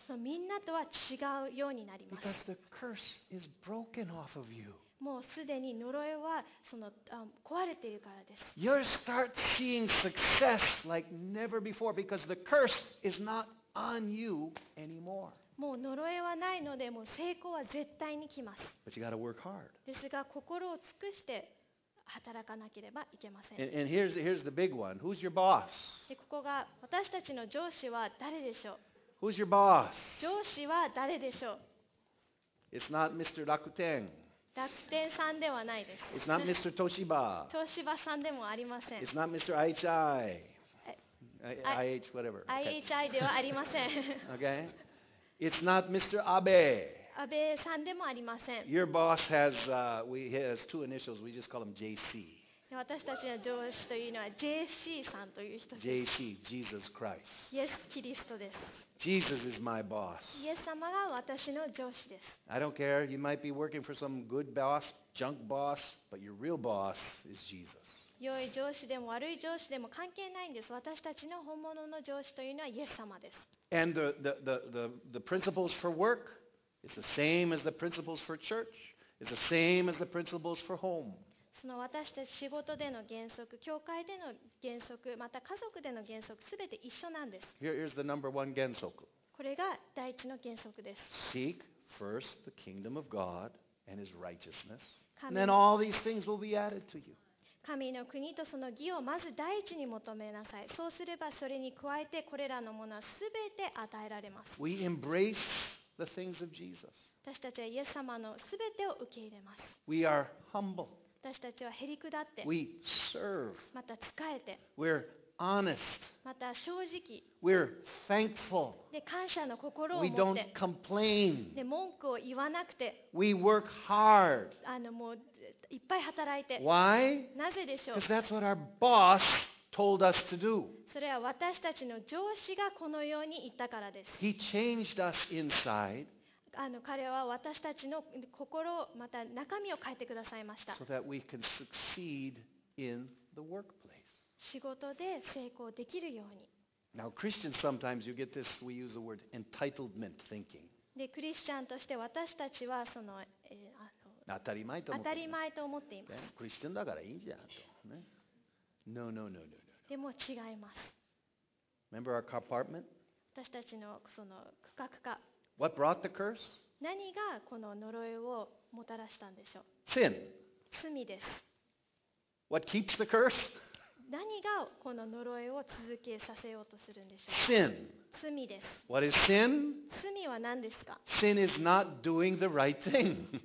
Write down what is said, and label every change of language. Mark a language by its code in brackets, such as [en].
[ja] みんなとは違うようになります。 [en] Because the curse is broken off of you. [ja] もうすでに呪いはその壊れているからです。 [en] You'll start seeing success like never before because the curse is not. On you anymore. [ja] もう呪いはないので、もう成功は絶対に来ます。 [en] But you gotta work hard. [ja] ですが、心を尽くして働かなければいけません。 [en] And here's the big one. Who's your boss? [ja] で、ここが私たちの上司は誰でしょう? [en] Who's your boss? [ja] 上司は誰でしょう? [en] It's not Mr. Rakuten. [ja] 楽天さんではないです。 [en] It's not Mr. Toshiba. [ja] 東芝さんでもありません。 [en] It's not Mr. Aichi. IH, whatever. [ja] IHI ではありません。 [en] Okay. It's not Mr. Abe. [ja] 安倍さんでもありません。 [en] Your boss has, he has two initials. We just call him JC. [ja] 私たちの上司というのは JC さんという人です。 [en] JC, Jesus Christ. [ja] イエス・キリストです。 [en] Jesus is my boss. [ja] イエス様が私の上司です。 [en] I don't care. You might be working for some good boss, junk boss, but your real boss is Jesus. [ja] 良い上司でも悪い上司でも関係ないんです。私たちの本物の上司というのはイエス様です。 [en] And the principles for work is the same as the principles for church. It's the same as the principles for home. [ja] その私たち仕事での原則、教会での原則、また家族での原則、すべて一緒なんです。 [en] Here's the number one 原則。 [ja] これが第一の原則です。 [en] Seek first the kingdom of God and His righteousness, and then all these things will be added to you. [ja] 神の国とその義をまず第一に求めなさい。そうすればそれに加えてこれらのものはすべて与えられます。 [en] We embrace the things of Jesus. [ja] 私たちはイエス様のすべてを受け入れます。 [en] We are humble. [ja] 私たちはへりくだって。 [en] We serve. [ja] また仕えて。 [en] We're honest. [ja] また正直。 [en] We're thankful. [ja] で感謝の心を持って。 [en] We don't complain. [ja] で文句を言わなくて。 [en] We work hard. [ja] もういっぱい働いて。 [en] Why? [ja] なぜでしょう? [en] Because that's what our boss told us to do. [ja] それは私たちの上司がこのように言ったからです。 [en] He changed us inside. [ja] 彼は私たちの心また中身を変えてくださいました。 [en] So that we can succeed in the workplace. [ja] 仕事で成功できるように。 [en] Now Christians sometimes you get this. We use the word entitlement thinking. [ja] でクリスチャンとして私たちはその。当たり前と思っています。クリスチャンだからいいんじゃんと。 [en] ね、no, no, no, no, no. [ja] でも違います。 [en] Remember our compartment? [ja] 私たちのその区画か。 [en] What brought the curse? [ja] 何がこの呪いをもたらしたんでしょう。 [en] Sin. [ja] 罪です。 [en] What keeps the curse? [ja] 何がこの呪いを続けさせようとするんでしょう。 [en] Sin. [ja] 罪です。 [en] What is sin? [ja] 罪は何ですか? [en] Sin is not doing the right thing.